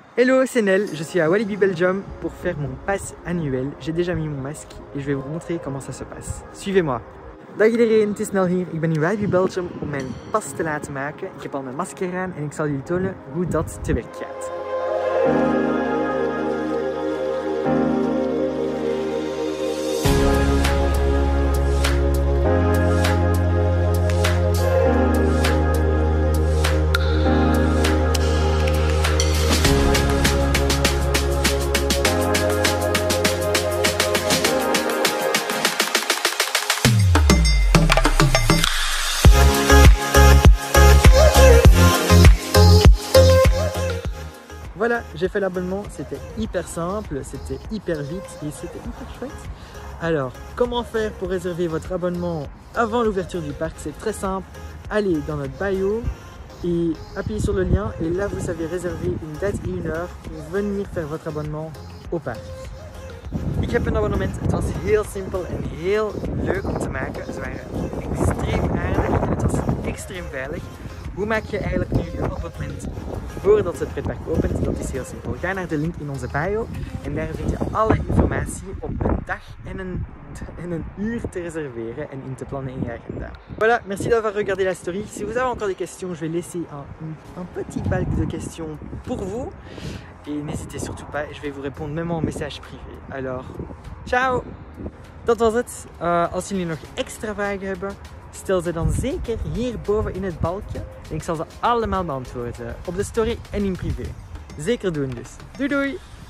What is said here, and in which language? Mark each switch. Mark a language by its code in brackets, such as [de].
[fr] Hello, c'est Nel, je suis à Walibi Belgium pour faire mon pass annuel. J'ai déjà mis mon masque et je vais vous montrer comment ça se passe. Suivez-moi. [nl] Dag iedereen, het is Nel hier. Ik ben in Walibi Belgium om mijn pas te laten maken. Ik heb al mijn masker aan en ik zal jullie tonen hoe dat te werk gaat. [fr] Voilà, j'ai fait l'abonnement, c'était hyper simple, c'était hyper vite et c'était hyper chouette. Alors, comment faire pour réserver votre abonnement avant l'ouverture du parc? C'est très simple, allez dans notre bio et appuyez sur le lien et là vous avez réservé une date et une heure pour venir faire votre abonnement au parc. [nl] Ik heb een abonnement, het was heel simpel en heel leuk om te maken. Ze waren extreem aardig en het was extreem veilig. Hoe maak je eigenlijk nu je abonnement voordat het pretpark opent? Dat is heel simpel. Ga naar de link in onze bio en daar vind je alle informatie om een dag en een uur te reserveren en in te plannen in je agenda. [fr] Voilà, merci d'avoir regardé la story. Si vous avez encore des questions, je vais laisser un petit bac de questions pour vous. Et n'hésitez surtout pas, je vais vous répondre même en message privé. Alors, ciao! [nl] Dat was het. Als jullie nog extra vragen hebben, stel ze dan zeker hierboven in het balkje. En ik zal ze allemaal beantwoorden op de story en in privé. Zeker doen dus. Doei doei!